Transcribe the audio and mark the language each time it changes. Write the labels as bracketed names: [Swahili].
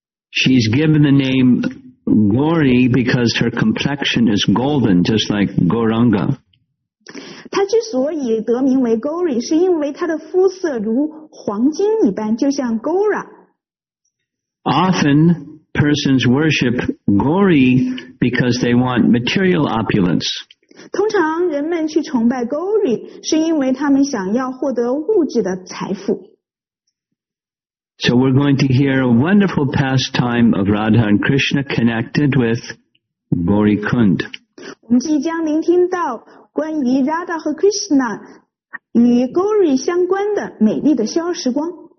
[English] She's given the name Gauri because her complexion is golden, just like Gauranga. [Chinese] 她之所以得名为 Gauri 是因为她的肤色如黄金一般，就像 Gaura。 [English] Often persons worship Gauri because they want material opulence. [Chinese] 通常人们去崇拜 Gauri 是因为他们想要获得物质的财富。 [English] So we're going to hear a wonderful pastime of Radha and Krishna connected with Gauri Kund. [Chinese] 我们即将聆听到关于 Radha 和 Krishna 与 Gauri 相关的美丽的逍遥时光。